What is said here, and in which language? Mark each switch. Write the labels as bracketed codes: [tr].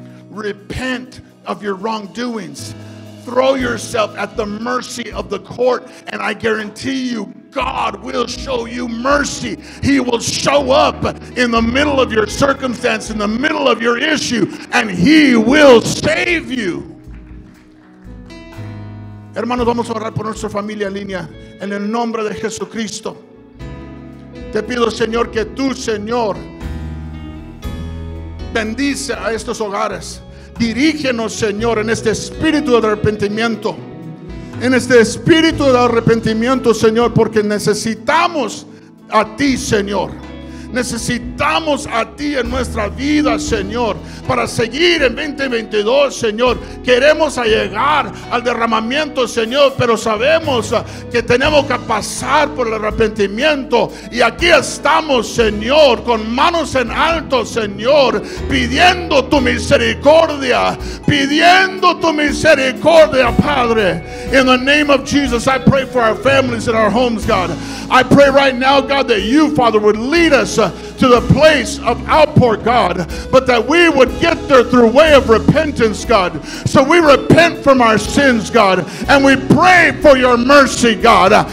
[en] Repent of your wrongdoings. Throw yourself at the mercy of the court, and I guarantee you, God will show you mercy. He will show up in the middle of your circumstance, in the middle of your issue, and He will save you. [es] Hermanos, vamos a orar por nuestra familia en línea. En el nombre de Jesucristo, te pido, Señor, que tú, Señor, bendice a estos hogares. Dirígenos, Señor, en este espíritu de arrepentimiento. En este espíritu de arrepentimiento, Señor, porque necesitamos a ti, Señor. Necesitamos a ti en nuestra vida, Señor, para seguir en 2022, Señor. Queremos llegar al derramamiento, Señor, pero sabemos que tenemos que pasar por el arrepentimiento. Y aquí estamos, Señor, con manos en alto, Señor, pidiendo tu misericordia. Pidiendo tu misericordia, Padre. [en] In the name of Jesus, I pray for our families and our homes, God. I pray right now, God, that you, Father, would lead us to the place of outpour, God, but that we would get there through way of repentance, God. So we repent from our sins, God, and we pray for your mercy, God.